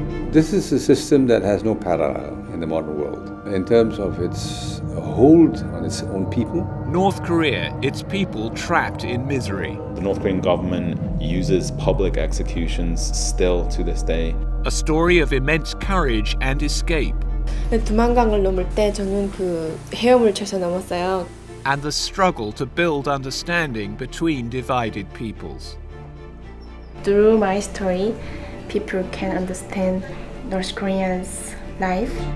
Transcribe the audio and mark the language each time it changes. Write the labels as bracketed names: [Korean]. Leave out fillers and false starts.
[English] This is a system that has no parallel in the modern world in terms of its hold on its own people. North Korea, its people trapped in misery. The North Korean government uses public executions still to this day. A story of immense courage and escape. [Korean] 두만강을 넘을 때 저는 그 헤엄을 쳐서 넘었어요. [English] And the struggle to build understanding between divided peoples. Through my story, people can understand North Koreans' life.